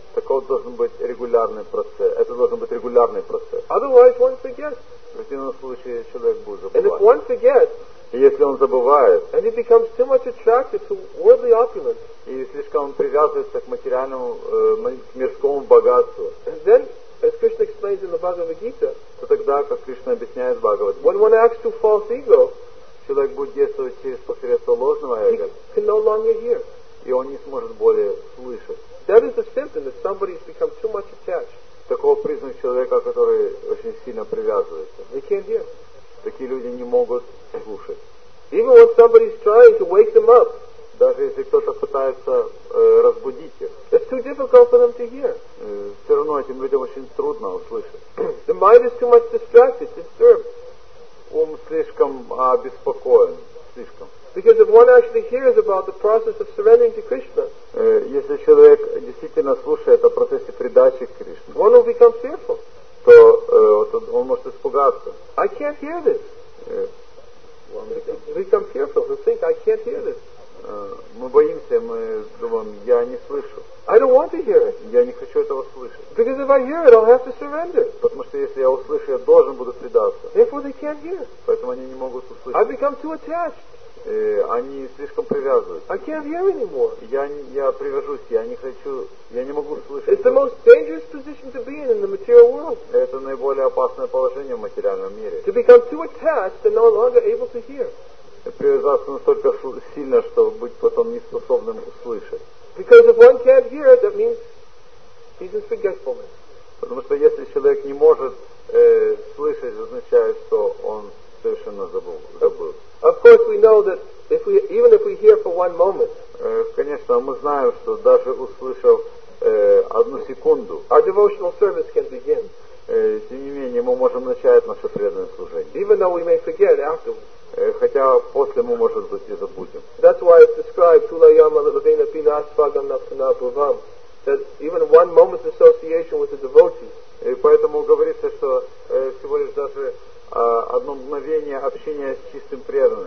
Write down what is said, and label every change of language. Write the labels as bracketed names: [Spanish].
[Russian] Такого должен быть регулярный процесс. Это должен быть регулярный процесс. [English] Otherwise, one forgets. [Russian] В противном случае человек будет забывать. [English] And if one forgets, [Russian] и если он забывает, [English] and he becomes too much attracted to worldly opulence, [Russian] и слишком он привязывается к материальному, к мирскому богатству, [English] and then, as Krishna explains in the Bhagavad Gita, [Russian] то тогда, как Кришна объясняет в Бхагавад-гите, [English] when one acts to false ego, [Russian] человек будет действовать через посредство ложного эго, [English] he can no longer hear. [Russian] И он не сможет более слышать. [English] That is a symptom that somebody has become too much attached. [Russian] Такого признак человека, который очень сильно привязывается. [English] They can't hear. [Russian] Такие люди не могут слушать. [English] Even when somebody is trying to wake them up. [Russian] Даже если кто-то пытается разбудить их. [English] It's too difficult for them to hear. [Russian] Все равно этим людям очень трудно услышать. [English] The mind is too much distracted, disturbed. [Russian] Ум слишком обеспокоен. Слишком. [English] Because if one actually hears about the process of surrendering to Krishna, [Russian] если человек действительно слушает о процессе предачи к Кришне, [English] one will become fearful. [Russian] То он может испугаться. [English] I can't hear this. Become fearful to think I can't hear this. [Russian] Мы боимся, мы думаем, я не слышу. [English] I don't want to hear it. [Russian] Я не хочу этого слышать. [English] Because if I hear it, I'll have to surrender. [Russian] Потому что если я услышу, я должен буду предаться. [English] Therefore they can't hear. [Russian] Поэтому они не могут услышать. [English] I become too attached. [Russian] Они слишком привязываются. [English] I can't hear anymore. [Russian] Я привяжусь, я не хочу, я не могу слышать. [English] It's the most dangerous position to be in the material world. [Russian] Это наиболее опасное положение в материальном мире. [English] To become too attached and no longer able to hear. [Russian] Привязаться настолько сильно, что быть потом неспособным услышать. [English] Because if one can't hear, that means he's in forgetfulness. [Russian] Потому что если человек не может слышать, означает, что он совершенно забыл. [English] Of course, we know that if we, even if we hear for one moment, [Russian] конечно, мы знаем, что даже услышав одну секунду, [English] our devotional service can begin. [Russian] Тем не менее, мы можем начать наше преданное служение. [English] Even though we may forget afterwards. [Russian] Хотя после мы, может быть, и забудем. [English] That's why it's described [Sanskrit] Tulayama Lavina Pinasvagam Napanabhavam [English] that even one moment association with a devotee. [Russian] И поэтому говорится, что всего лишь даже одно мгновение общения с чистым преданным.